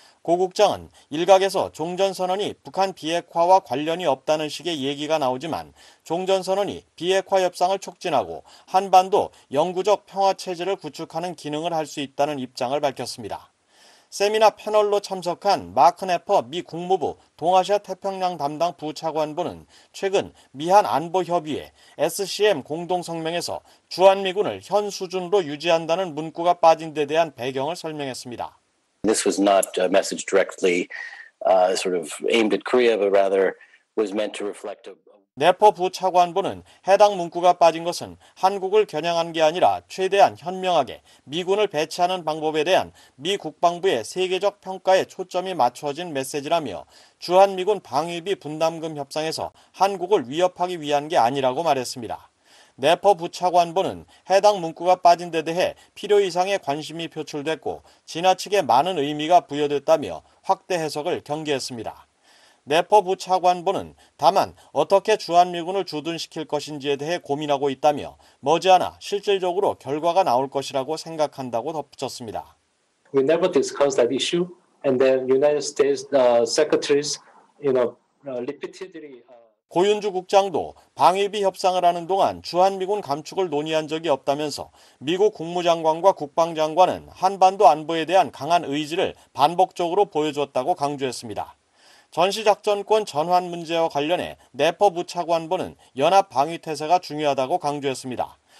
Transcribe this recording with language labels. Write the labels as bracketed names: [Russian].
[Korean] 고 국장은 일각에서 종전선언이 북한 비핵화와 관련이 없다는 식의 얘기가 나오지만 종전선언이 비핵화 협상을 촉진하고 한반도 영구적 평화체제를 구축하는 기능을 할 수 있다는 입장을 밝혔습니다. 세미나 패널로 참석한 마크 네퍼 미 국무부 동아시아 태평양 담당 부차관보는 최근 미한 안보협의회 SCM 공동성명에서 주한미군을 현 수준으로 유지한다는 문구가 빠진 데 대한 배경을 설명했습니다. [English] This was not a message directly sort of aimed at Korea, but rather was meant to reflect a [Korean] 네퍼 부차관보는 해당 문구가 빠진 것은 한국을 겨냥한 게 아니라 최대한 현명하게 미군을 배치하는 방법에 대한 미 국방부의 세계적 평가에 초점이 맞춰진 메시지라며 주한미군 방위비 분담금 협상에서 한국을 위협하기 위한 게 아니라고 말했습니다. 네퍼 부차관보는 해당 문구가 빠진 데 대해 필요 이상의 관심이 표출됐고 지나치게 많은 의미가 부여됐다며 확대 해석을 경계했습니다. 네퍼 부차관보는 다만 어떻게 주한미군을 주둔시킬 것인지에 대해 고민하고 있다며 머지않아 실질적으로 결과가 나올 것이라고 생각한다고 덧붙였습니다. [English] We never discussed that issue and then United States secretaries, you know, repeatedly. [Korean] 고윤주 국장도 방위비 협상을 하는 동안 주한미군 감축을 논의한 적이 없다면서 미국 국무장관과 국방장관은 한반도 안보에 대한 강한 의지를 반복적으로 보여주었다고 강조했습니다. 전시작전권 전환 문제와 관련해 네퍼 부차관보는 연합 방위태세가 중요하다고 강조했습니다.